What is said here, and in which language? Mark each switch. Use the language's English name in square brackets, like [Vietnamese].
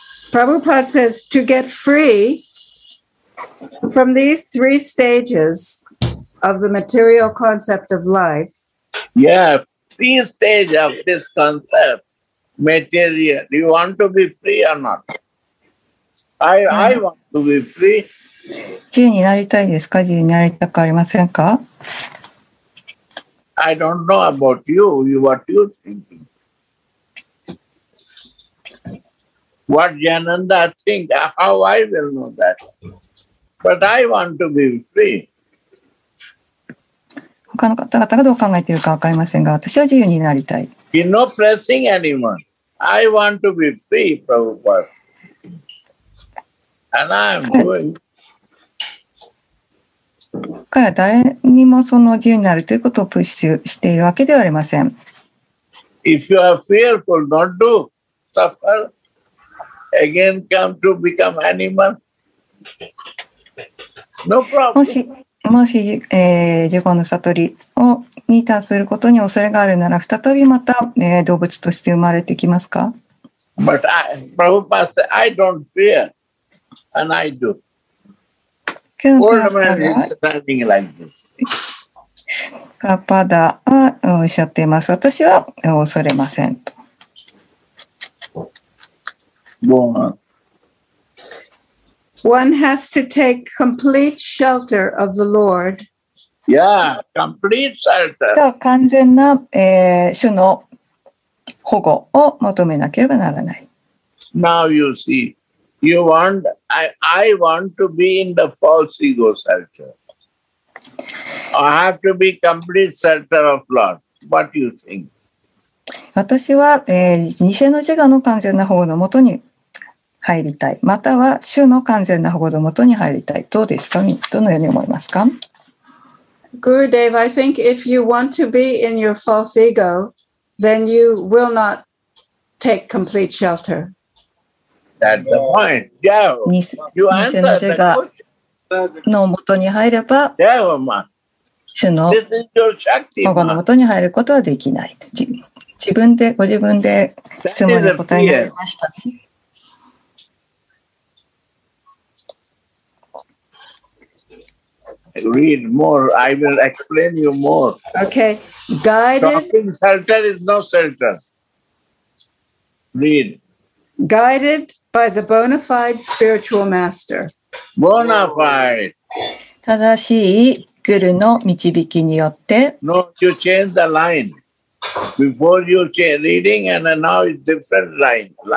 [English] Prabhupada says to get free from these three stages of the material concept of life. Yeah, three stages of this concept, material. Do you want to be free or not? I want to be free. [Japanese] 自由になりたいですか？自由になりたくありませんか？ [English] I don't know about you, what you think. What Jananda think, how I will know that? But I want to be free. [Japanese] 他の方々がどう考えているか分かりませんが、私は自由になりたい。 [English] You're not pressing anyone. I want to be free, Prabhupada. And I'm going. [Japanese] 彼は誰にもその自由になるということをプッシュしているわけではありません。 [English] If you are fearful not to suffer, again come to become animal. No、problem. [Japanese] もし、自己の悟りをに達することに恐れがあるなら、再びまた、動物として生まれてきますか？ [English] But Prabhupada said, I don't fear, and I do. Old man is standing like this. [Japanese] Prabhupada はおっしゃっています。私は恐れませんと。 [English] One has to take complete shelter of the Lord. Yeah, complete shelter. [Japanese] 完全な、主の保護を求めなければならない。 [English] Now you see, you want, I want to be in the false ego shelter. I have to be complete shelter of Lord. What do you think? [Japanese] 私は、偽の自我の完全な保護のもとに入りたい、または主の完全な保護のもとに入りたい。どうですか？どのように思いますか？ [English] Gurudev, I think if you want to be in your false ego, then you will not take complete shelter. That's the point. Yeah. You answered the question. [Japanese] のもとに入れば、主の保護のもとに入ることはできない。自分で、ご自分で質問に答えられましたね。 [English] Read more. I will explain you more. Okay. Guided. Dropping shelter is no shelter. Read. Guided by the bona fide spiritual master. Bona fide. [Japanese] 正しいグルの導きによって。 [English] No, you change the line. Before you change reading and now it's different line.